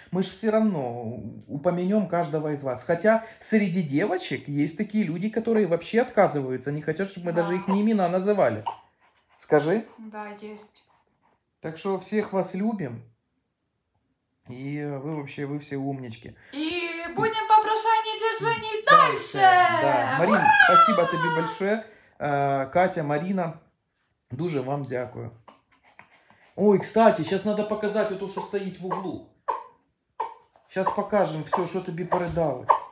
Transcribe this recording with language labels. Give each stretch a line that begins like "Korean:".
Russian: Мы же все равно упомянем каждого из вас. Хотя среди девочек есть такие люди, которые вообще отказываются. Они хотят, чтобы мы даже их не имена называли. Скажи. Да, есть. Так что всех вас любим. И вы вообще, вы все умнички. И будем попрошайничать Жене дальше. Да, Марина, ура! Спасибо тебе большое.
Ukrainian: Катя, Марина, дуже вам дякую.
Russian: Ой, кстати, сейчас надо показать то, что стоит в углу. Сейчас покажем все, что тебе передали.